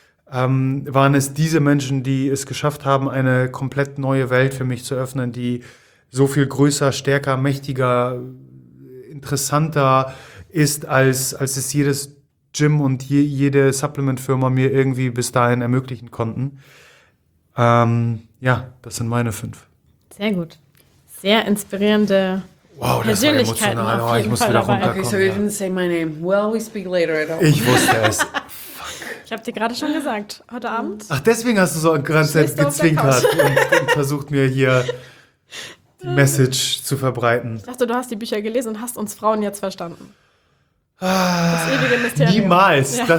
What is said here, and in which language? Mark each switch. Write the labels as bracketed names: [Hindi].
[German] waren es diese Menschen, die es geschafft haben, eine komplett neue Welt für mich zu öffnen, die so viel größer, stärker, mächtiger, interessanter ist, als es jedes Gym und jede Supplement-Firma mir irgendwie bis dahin ermöglichen konnten. Ja, das sind meine 5. Sehr gut. Sehr inspirierende Persönlichkeiten. Wow, das war emotional. Oh, ich muss wieder runterkommen. [English] Okay, so you didn't say my name. Well, we speak later at all. [German] Ich wusste es. Ich habe dir gerade schon gesagt, heute Abend. Ach, deswegen hast du so ganz gezwinkert und versucht mir hier Message zu verbreiten. Ich dachte, du hast die Bücher gelesen und hast uns Frauen jetzt verstanden. Das ewige Mysterium. Niemals. Ja.